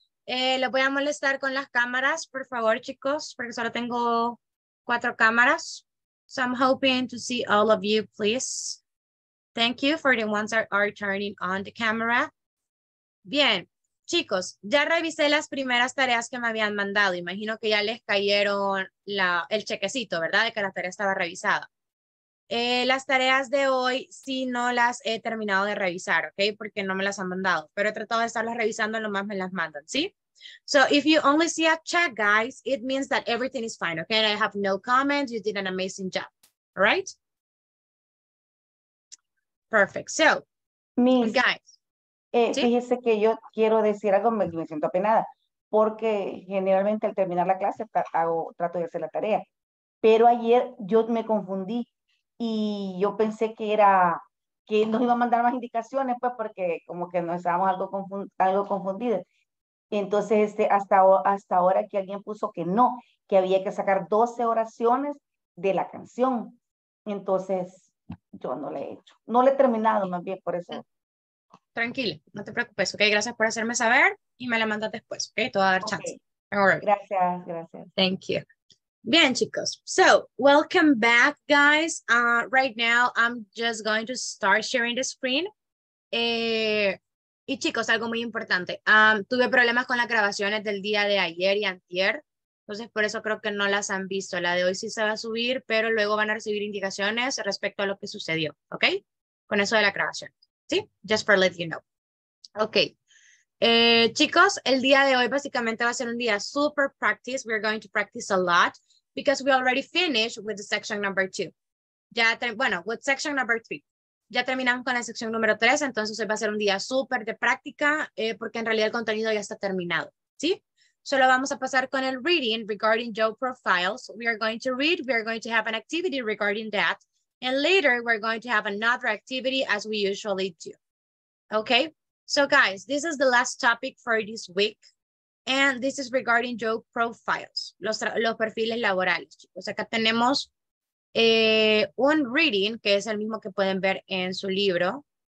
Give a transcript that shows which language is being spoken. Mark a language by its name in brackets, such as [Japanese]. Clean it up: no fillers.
[Spanish] Les voy a molestar con las cámaras, por favor, chicos, porque solo tengo 4 cámaras. [English] So, I'm hoping to see all of you, please. Thank you for the ones that are turning on the camera. [Spanish] Bien. Chicos, ya revisé las primeras tareas que me habían mandado. Imagino que ya les cayeron el chequecito, ¿verdad? De que la tarea estaba revisada. Las tareas de hoy sí no las he terminado de revisar, ¿ok? Porque no me las han mandado. Pero he tratado de estarlas revisando, lo más me las mandan, ¿sí? [English] So, if you only see a check, guys, it means that everything is fine, ¿okay? And I have no comments, you did an amazing job, all right? Perfect. So, Miss. Guys. ¿Sí? [Spanish] Fíjese que yo quiero decir algo, me siento apenada, porque generalmente al terminar la clase trato de hacer la tarea, pero ayer yo me confundí y yo pensé que nos iba a mandar más indicaciones, pues porque como que nos estábamos algo confundidas. Entonces hasta ahora que alguien puso que no, que había que sacar 12 oraciones de la canción, entonces yo no la he hecho, no la he terminado más bien, por eso. Tranquila, no te preocupes, ok, gracias por hacerme saber y me la mandas después, ok, te voy a dar chance. [English] Okay. All right. [Spanish] Gracias, gracias. [English] Thank you. [Spanish] Bien, chicos, [English] so welcome back, guys. Right now I'm just going to start sharing the screen. [Spanish] Y chicos, algo muy importante, tuve problemas con las grabaciones del día de ayer y antier, entonces por eso creo que no las han visto. La de hoy sí se va a subir, pero luego van a recibir indicaciones respecto a lo que sucedió, ok, con eso de la grabación. Sí, [English] just for letting you know. [Spanish] Ok. Chicos, el día de hoy básicamente va a ser un día super practice. [English] We're going to practice a lot because we already finished with the section number 2. With section number 3. [Spanish] Ya terminamos con la sección número 3, entonces hoy va a ser un día super de práctica porque en realidad el contenido ya está terminado. ¿Sí? Solo vamos a pasar con el [English] reading regarding job profiles. We are going to read, we are going to have an activity regarding that. And later, we're going to have another activity as we usually do. Okay? So, guys, this is the last topic for this week. And this is regarding job profiles, [Spanish] los perfiles laborales. Chicos, acá tenemos un reading, que es el mismo que pueden ver en su libro.